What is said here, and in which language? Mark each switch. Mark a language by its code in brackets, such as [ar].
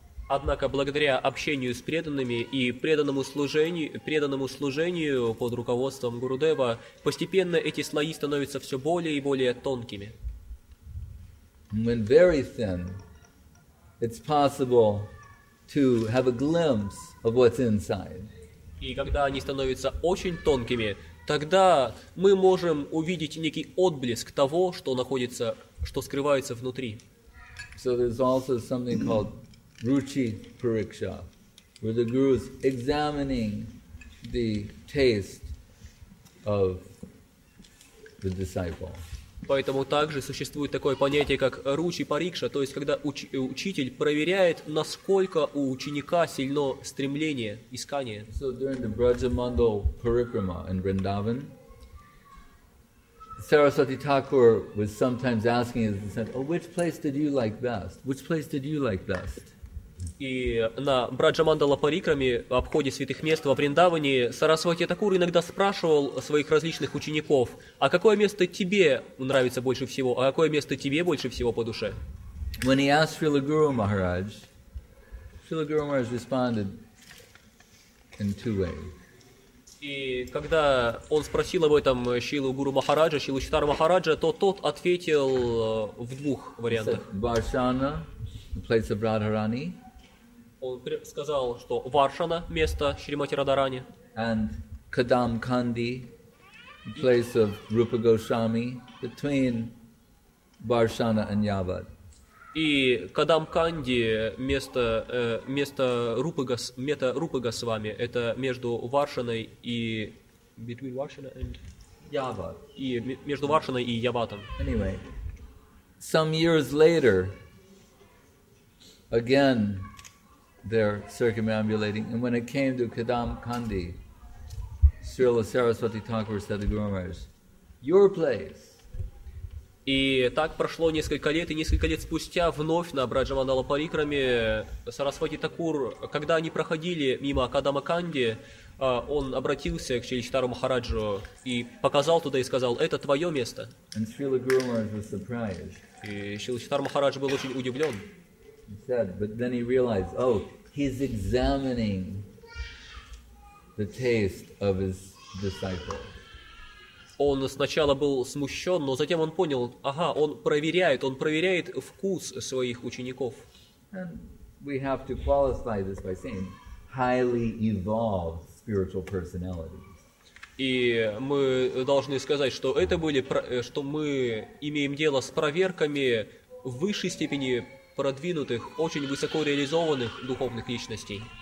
[ru] Однако благодаря общению с преданными и преданному служению под руководством Гурудева постепенно эти слои становятся все более и более тонкими. [en] When very thin, it's possible to have a glimpse of what's inside. [ru] И когда они становятся очень тонкими, тогда мы можем увидеть некий отблеск того, что находится, что скрывается внутри. [en] So there's also something called Ruchi Pariksha, where the guru is examining the taste of the disciple. [ru] Поэтому также существует такое понятие, как Ruchi Pariksha, то есть когда учитель проверяет, насколько у ученика сильно стремление, искание. [en] So during the Brajamandal Parikrama in Vrindavan, Sarasvati Thakur was sometimes asking his disciples, oh, which place did you like best? Which place did you like best? [ru] И на Браджамандала Парикраме, в обходе святых мест во Вриндаване, Сарасвати Такур иногда спрашивал своих различных учеников, а какое место тебе нравится больше всего, а какое место тебе больше всего по душе? [en] When he asked Srila Guru Maharaj, Srila Guru Maharaj responded in two ways. [ru] И когда он спросил об этом Шилу Гуру Махараджа, Шилу Читар Махараджа, то тот ответил в двух вариантах. [en] Варшана, place of Радхарани. [ru] Он сказал, что Варшана – место Шримати Радхарани. [en] And Kadam Kandi, place of Rupa Goswami, between Varshana and Yavad. [ru] И Кадам Канди место место Рупы Госвами это между Варшаной и [en] between Varshana and Yavad. [ru] И между Варшаной и Яватом. [en] Anyway, some years later, again, they're circumambulating, and when it came to Kadam Kandi, Srila Saraswati Thakur said to Guru Maharaj, "Your place." [ru] И так прошло несколько лет, и несколько лет спустя вновь на Браджамандала Парикраме Сарасвати Такур, когда они проходили мимо Кадама Канди, он обратился к Шри Читару Махараджу и показал туда и сказал, это твое место. [en] And Srila Guru Maharaj was surprised. [ru] И Шри Читару Махарадж был очень удивлен. [en] He said, but then he realized, oh, he's examining the taste of his disciple. [ru] Он сначала был смущен, но затем он понял, ага, он проверяет вкус своих учеников. [en] And we have to qualify this by saying highly evolved spiritual personalities. [ru] И мы должны сказать, что это были, что мы имеем дело с проверками в высшей степени продвинутых, очень высоко реализованных духовных личностей.